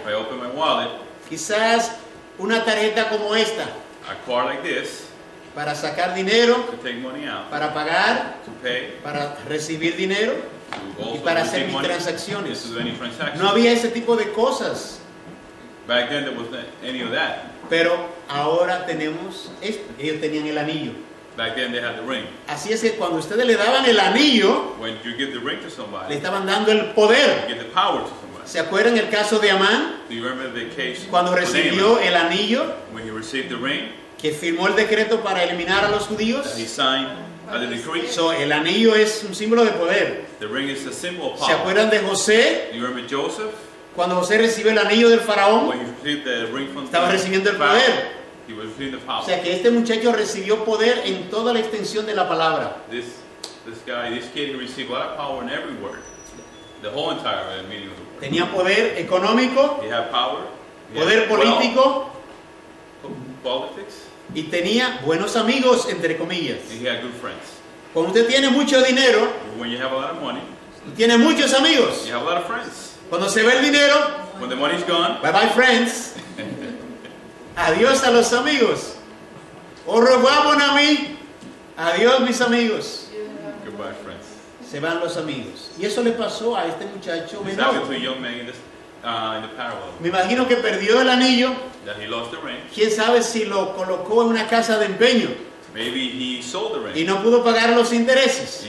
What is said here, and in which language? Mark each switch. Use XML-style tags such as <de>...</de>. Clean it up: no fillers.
<en>If I open my wallet.</en> <es>Quizás una tarjeta como esta.</es> <en>A card like this.</en> <es>Para sacar dinero,</es> <en>to take money out,</en> <es>para pagar,</es> <en>to pay,</en> <es>para recibir dinero y para hacer mis transacciones. No había ese tipo de cosas.</es> <en>Back then there wasn't any of that.</en> <es>Pero ahora tenemos esto. Ellos tenían el anillo.</es> <en>Back then they had the ring.</en> <es>Así es que cuando ustedes le daban el anillo,</es> <en>when you give the ring to somebody,</en> <es>le estaban dando el poder.</es> <en>You give the power to somebody.</en> <es>¿Se acuerdan el caso de Amán?</es> <en>Do you remember the case?</en> <es>Cuando recibió el anillo,</es> <en>when he received the ring,</en> <es>que firmó el decreto para eliminar a los judíos.</es> <en>He signed a the decree.</en> <es>So, el anillo es un símbolo de poder.</es> <en>The ring is a symbol of power.</en> <es>¿Se acuerdan de José?</es> <en>Do you remember Joseph?</en> <es>Cuando José recibió el anillo del faraón,</es> <en>when he received the ring from</en> <es>estaba</es> <en>the</en> <es>recibiendo el poder.</es> <en>He was receiving the power.</en> <es>O sea que este muchacho recibió poder en toda la extensión de la palabra.</es> <en>This kid received a lot of power in every word. The whole entire meaning of the word.</en> <es>Tenía poder económico.</es> <en>He had power. He</en> <es>poder</es> <en>had</en> <es>político.</es> <en>Politics.</en> <es>Y tenía buenos amigos, entre comillas.</es> <en>And he had good friends.</en> <es>Cuando usted tiene mucho dinero,</es> <en>when you have a lot of money,</en> <es>y tiene muchos amigos,</es> <en>you have a lot of friends.</en> <es>Cuando se va el dinero,</es> <en>when the money's gone, bye bye friends.</en> <es>Adiós a los amigos. O robamos a mí. Adiós, mis amigos.</es> <en>Goodbye, friends.</en> <es>Se van los amigos. Y eso le pasó a este muchacho menor.</es> <en>Exactly to a young man in the parable.</en> <es>Me imagino que perdió el anillo.</es> <en>That he lost the ring.</en> <es>¿Quién sabe si lo colocó en una casa de empeño?</es> <en>Maybe he sold the ring.</en> <es>Y no pudo pagar los intereses.</es>